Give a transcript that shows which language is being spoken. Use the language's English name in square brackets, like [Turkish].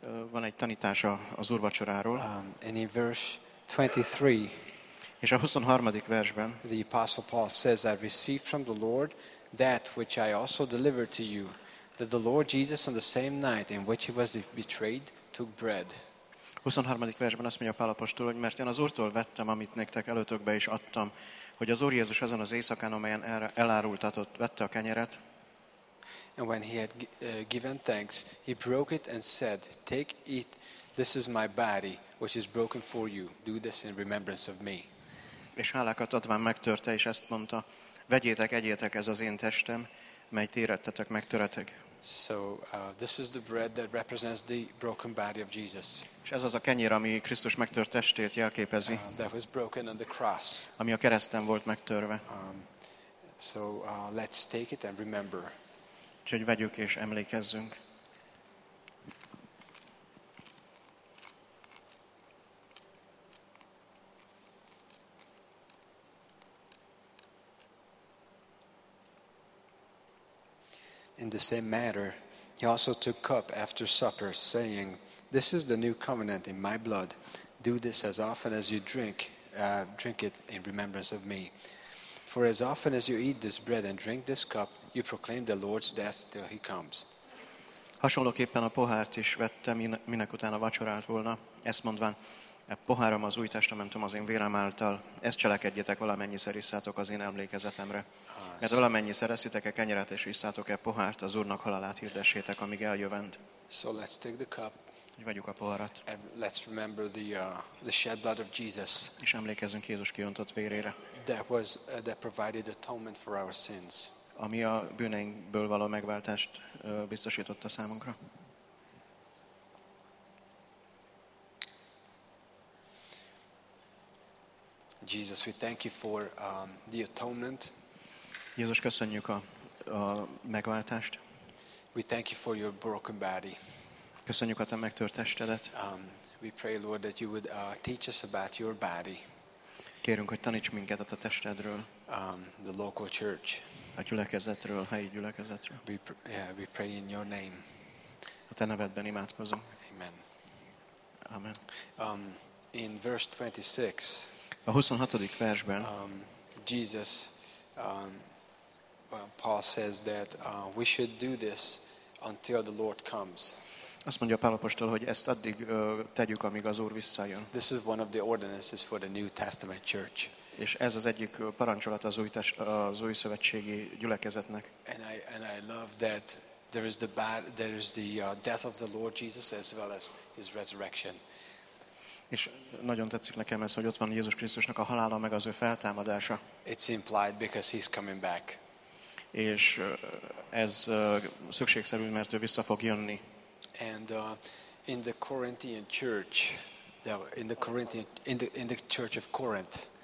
[Hungarian] Van egy tanítás az úrvacsoráról. [English] And in verse 23. [Hungarian] És a 23. versben. [English] The apostle Paul says, "I received from the Lord that which I also delivered to you, that the Lord Jesus, on the same night in which he was betrayed, took bread." [Hungarian] 23. versben azt mondja Pál apostol, hogy mert én az Úrtól vettem, amit nektek előtökbe is adtam, hogy az Úr Jézus azon az éjszakán, amelyen elárultatott, vette a kenyeret. [English] And when he had given thanks, he broke it and said, "Take, eat, this is my body, which is broken for you. Do this in remembrance of me." [Hungarian] És hálákat adván megtörte, és ezt mondta, "Vegyétek, egyétek, ez az én testem, mely térettetek, megtöretek." [English] So this is the bread that represents the broken body of Jesus. [Hungarian] És ez az a kenyér, ami Krisztus megtört testét jelképezi. [English] That was broken on the cross. [Hungarian] Ami a kereszten volt megtörve. [English] So let's take it and remember. [Hungarian] Úgyhogy vegyük és emlékezzünk. [English] In the same manner, he also took cup after supper, saying, "This is the new covenant in my blood. Do this as often as you drink it in remembrance of me. For as often as you eat this bread and drink this cup, you proclaim the Lord's death till he comes." [Hungarian] Hasonlóképpen a pohárt is vette, minek utána vacsorált volna. Ezt mondván, "E poháram az új testamentum az én vérem által. Ezt cselekedjetek, valamennyiszer isszátok az én emlékezetemre. Mert valamennyiszer eszitek-e kenyeret és isszátok-e pohárt, az Úrnak halálát hirdessétek, amíg eljövend." [English] So let's take the cup. [Hungarian] Vegyük a poharat. [English] And let's remember the shed blood of Jesus. [Hungarian] És emlékezzünk Jézus kiöntött vérére. [English] That provided atonement for our sins. [Hungarian] Ami a bűneinkből való megváltást biztosította számunkra. [English] Jesus, we thank you for the atonement. [Hungarian] Jézus, köszönjük a megváltást. [English] We thank you for your broken body. [Hungarian] Köszönjük a te megtört testedet. [English] We pray, Lord, that you would teach us about your body. [Hungarian] Kérünk, hogy taníts minket a testedről. [English] The local church. [Hungarian] A gyülekezetről, a helyi gyülekezetről. [English] We pray in your name. [Hungarian] A te nevedben imádkozom. [English] Amen. [Hungarian] Amen. [English] In verse 26. [Hungarian] A 26. versben. [English] Jesus. Paul says that we should do this until the Lord comes. [Hungarian] Azt mondja Pál apostol, hogy ezt addig tegyük, amíg az Úr visszajön. [English] This is one of the ordinances for the New Testament church. [Hungarian] És ez az egyik parancsolat az új szövetségi gyülekezetnek. [English] And I love that there is the death of the Lord Jesus as well as his resurrection. [Hungarian] És nagyon tetszik nekem ez, hogy ott van Jézus Krisztusnak a halála meg az ő feltámadása. [English] It's implied because he's coming back. [Hungarian] És ez szükségszerű, mert ő vissza fog jönni. [English] And in the Corinthian church, in the church of Corinth,